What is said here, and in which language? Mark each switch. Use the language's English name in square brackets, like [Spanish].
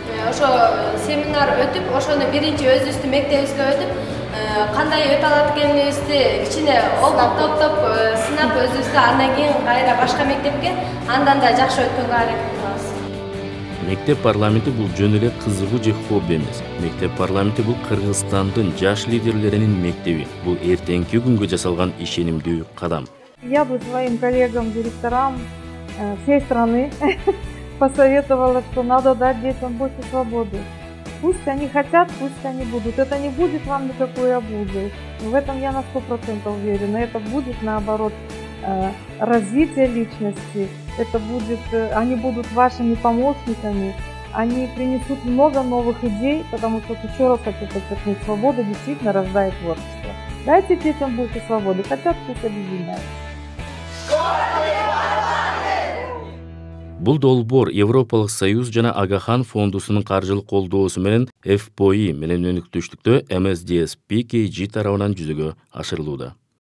[Kyrgyz] Ошо семинар өтүп, ошону биринчи өзүбүздүн мектебибизге өтүп, кандай өтө алат экенибизди кичине топтоп сынап өзүбүздү, андан кийин кайра башка мектепке, андан да жакшы өткөнгө аракет кылабыз. Мектеп парламенти бул жөн эле кызыгуу же хобби эмес. Мектеп парламенти бул Кыргызстандын жаш лидерлеринин мектеби. Бул эртеңки күнгө жасалган ишенимдүү кадам. [Russian] Я бы своим коллегам, директорам всей страны посоветовала, что надо дать детям больше свободы. Пусть они хотят, пусть они будут. Это не будет вам никакой обузой. В этом я на 100% уверена. Это будет наоборот развитие личности. Это будет, они будут вашими помощниками, они принесут много новых идей, потому что, еще раз хочу подчеркнуть, свобода действительно рождает творчество. Дайте детям больше свободы, хотят пусть объединяют. [Kyrgyz] Бул долбоор Европалык Союз жана Агахан фондусунун каржылык колдоосу менен FPOI менен өнүктүштүктө MSDS PKG тарабынан жүзөгө ашырылууда.